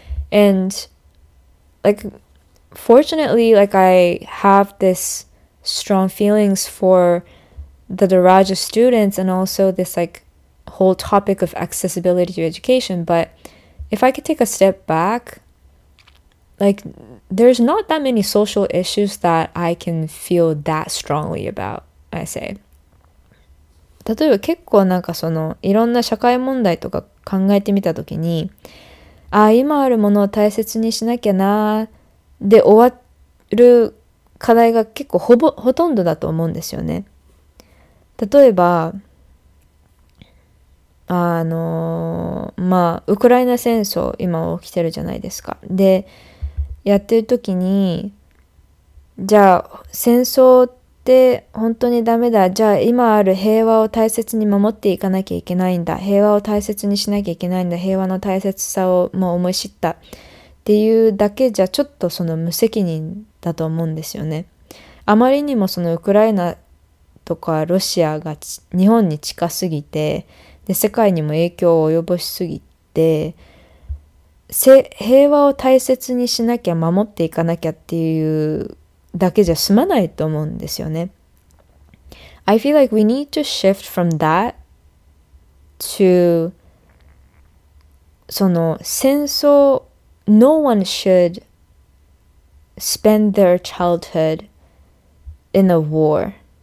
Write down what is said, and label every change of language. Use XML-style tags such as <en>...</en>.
<en>And like, fortunately, like I have thisstrong feelings for the Daraja students and also this like whole topic of accessibility to education. But if I could take a step back, like there's not that many social issues that I can feel that strongly about, I say.</en> <ja>例えば結構なんかそのいろんな社会問題とか考えてみたときに、ああ今あるものを大切にしなきゃなで終わる課題が結構ほとんどだと思うんですよね。例えば、まあ、ウクライナ戦争、今起きてるじゃないですか。で、やってる時に、じゃあ、戦争って本当にダメだ。じゃあ、今ある平和を大切に守っていかなきゃいけないんだ。平和を大切にしなきゃいけないんだ。平和の大切さをもう思い知った。っていうだけじゃちょっとその無責任だと思うんですよね。あまりにもそのウクライナとかロシアが日本に近すぎて、で世界にも影響を及ぼしすぎて、平和を大切にしなきゃ守っていかなきゃっていうだけじゃ済まないと思うんですよね。</ja> <en>I feel like we need to shift from that to</en> <ja>その戦争、</ja> <en>No one should spend their childhood in a war.</en>